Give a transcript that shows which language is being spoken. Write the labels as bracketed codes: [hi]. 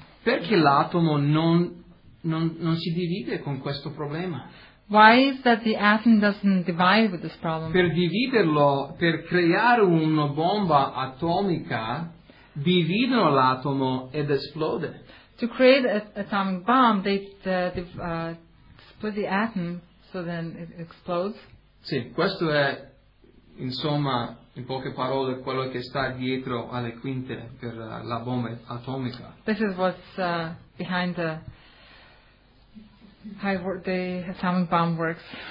[it] Perché l'atomo non si divide con questo problema? [en] Why is that the atom doesn't divide with this problem? [it] Per dividerlo, per creare una bomba atomica, dividono l'atomo ed esplode. [en] To create an atomic bomb, they split the atom so then it explodes. [it] Sì, questo è, insomma, in poche parole, quello che sta dietro alle quinte per la bomba atomica. [en] This is what's behind the how the atomic bomb works.